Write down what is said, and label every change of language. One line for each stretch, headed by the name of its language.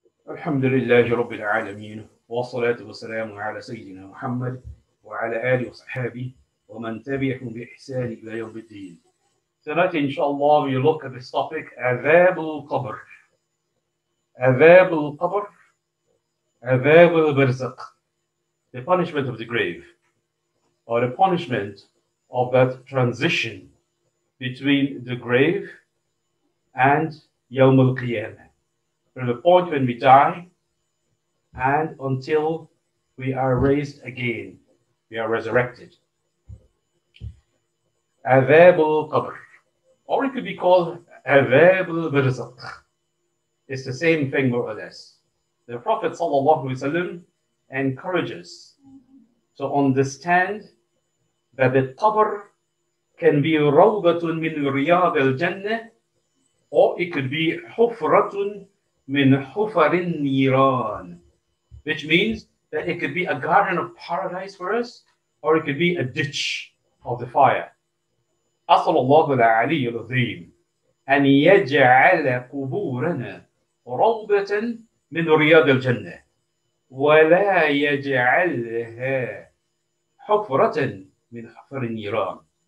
Arabic: الحمد لله رب العالمين والصلاة والسلام على سيدنا محمد وعلى آله وصحابه ومن تبعهم بإحسان إلى يوم الدين.
English: Tonight, inshallah, we look at this topic, عذاب القبر. عذاب القبر, عذاب البرزق, the punishment of the grave, or the punishment of that transition between the grave and يوم القيامة. From the point when we die and until we are raised again, we are resurrected.
Arabic: عذاب القبر.
English: Or it could be called عذاب البرزق. It's the same thing more or less. The Prophet ﷺ encourages to understand that the qabr can be
Arabic: rawdatun min riyad al-jannah,
English: or it could be
Arabic: hufratun min hufarin niran,
English: which means that it could be a garden of paradise for us, or it could be a ditch of the fire.
Arabic: أصل الله العلي العظيم أن يجعل قبورنا روضة من رياض الجنة ولا يجعلها حفرة من حفر النيران.